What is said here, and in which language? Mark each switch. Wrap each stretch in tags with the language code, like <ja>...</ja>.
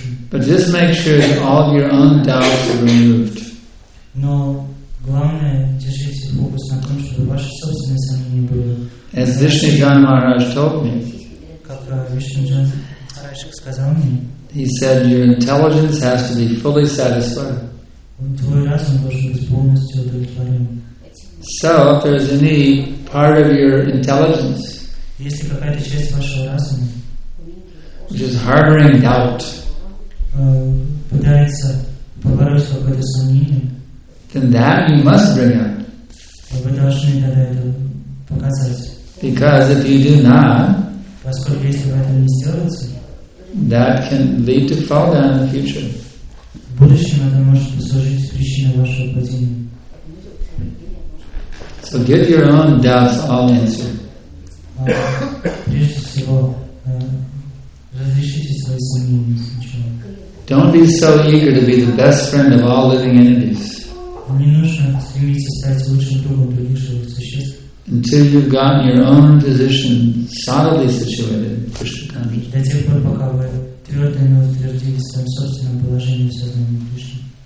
<en>But just make sure that all of your own doubts are removed.</en> <ru>Но главное, держите фокус на том, что чтобы ваши собственные сомнения были.</ru> <en>As Vishnudhan Maharaj told me,</en> <ru>как Вишнудхан Махарадж сказал мне,</ru> <en>he said, your intelligence has to be fully satisfied.</en> <ru>Твой разум должен быть полностью удовлетворен.</ru> <en>So, if there is any part of your intelligence,</en> <ru>если какая-то часть вашего разума,</ru> <en>which is harboring doubt,</en> <ru>пытается побороть какое-то сомнение,</ru> <en>then that you must bring out.</en> <ru>Вы должны тогда это показать.</ru> <en>Because if you do not,</en> <ru>поскольку если вы этого не сделаете,</ru> <en>that can lead to fall down in the future.</en> <ru>В будущем это может послужить причиной вашего падения.</ru> <en>So give your own doubts all answer.</en> <ru>Прежде всего, разрешите свои сомнения сначала.</ru> <en>Don't be so eager to be the best friend of all living entities.</en> <ru>Не нужно стремиться стать лучшим другом других живых существ.</ru> <en>Until you've gotten your own position solidly situated in Krishna consciousness.</en> <ru>До тех пор, пока вы твердо не утвердили своем собственном положении в сознании Кришны.</ru>